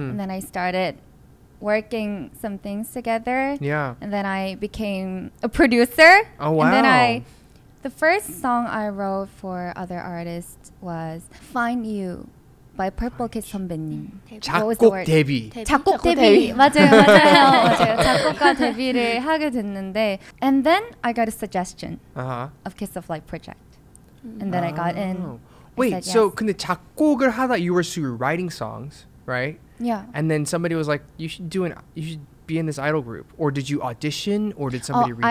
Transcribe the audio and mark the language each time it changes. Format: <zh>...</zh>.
<en>And then I started working some things together. Yeah. And then I became a producer. Oh wow. And then the first song I wrote for other artists was Find You by Purple Kiss 선배님.</en> <ko>작곡 데뷔. 작곡 데뷔. 맞아요, 맞아요. 작곡가 데뷔를 하게 됐는데.</ko> <en>And then I got a suggestion of Kiss of Life project. And then I got in. Wait, so</en> <ko>근데 작곡을 하다</ko> <en>you were writing songs, right? Yeah. And then somebody was like, you should be in this idol group. Or did you audition? Or did somebody reach out?</en>